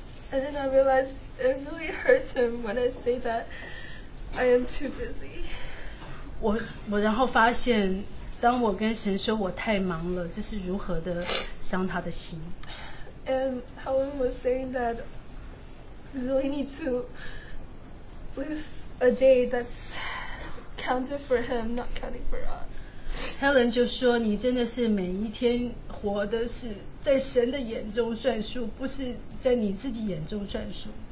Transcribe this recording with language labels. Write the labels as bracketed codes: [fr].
[en] And then I realized it really hurts him when I say that I am too busy. [zh] 我然后发现，当我跟神说我太忙了，这是如何的伤他的心。 [en] And Helen was saying that we really need to live a day that's counted for him, not counting for us. [zh] Helen 就说你真的是每一天活的是在神的眼中算数，不是在你自己眼中算数。